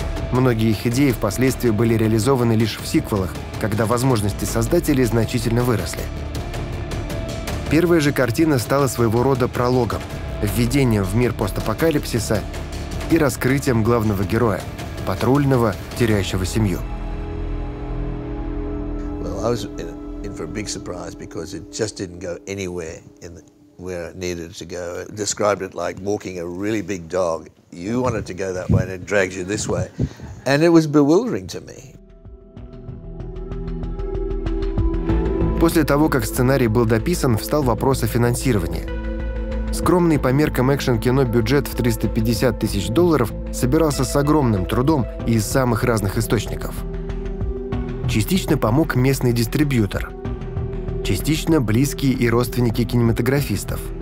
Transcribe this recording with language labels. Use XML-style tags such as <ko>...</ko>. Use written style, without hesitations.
<ru>Многие их идеи впоследствии были реализованы лишь в сиквелах, когда возможности создателей значительно выросли. Первая же картина стала своего рода прологом, введением в мир постапокалипсиса и раскрытием главного героя, патрульного, теряющего семью.</ru> <en>Well, I was in for a big surprise because it just didn't go anywhere in where it needed to go. It described it like walking a really big dog. You want it to go that way and it drags you this way. And it was bewildering to me.</en> <ru>После того, как сценарий был дописан, встал вопрос о финансировании. Скромный по меркам экшн-кино бюджет в 350 тысяч долларов собирался с огромным трудом и из самых разных источников. Частично помог местный дистрибьютор, частично близкие и родственники кинематографистов.</ru>